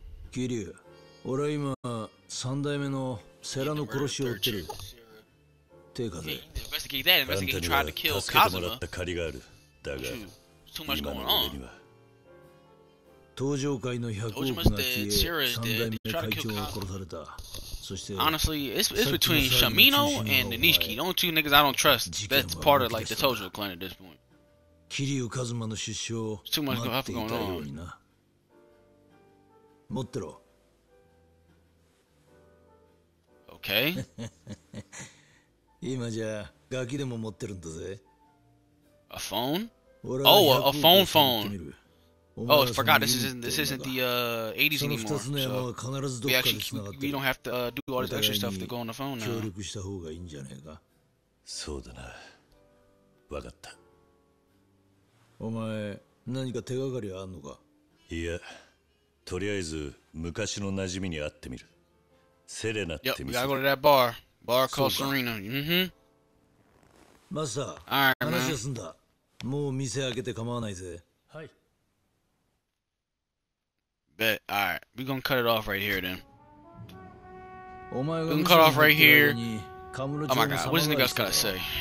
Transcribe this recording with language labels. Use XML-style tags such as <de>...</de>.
<ja>キリュウ、俺は今、三代目のセラの殺しを追ってる。てかぜ、あんたには助けてもらった借りがある。だが、今の上には。登場会の100億が消え、三代目会長が殺された。そして、</ja> <en>Honestly, it's between Shimano and Nishiki. The only two niggas I don't trust. That's part of like the Tojo clan at this point.</en> <ja>Kiryu Kazuma の出所を待っていたようにな。持ってろ。</ja> <en>OK?</en> <ja>今じゃガキでも持ってるんだぜ。</ja> <en>A phone? Oh, a phone phone. Oh, I forgot this isn't the 80s anymore. So we don't have to do all this extra stuff to go on the phone now.</en> <ja>そうだな。わかった。お前、何か手がかりあんのか？いや、とりあえず昔の馴染みに会ってみる。セレナって店。</ja> <en>Yep, we gotta go to that bar. Bar called Serena. Mm-hmm.</en> <ja>マスター、話は済んだ。もう店開けて構わないぜ。はい。</ja> <en>Bet. Alright. We're gonna cut it off right here then.</en> <ja>お前が</ja> <en>We're gonna cut off right here. Oh my god, what is Nigga's gotta say?</en>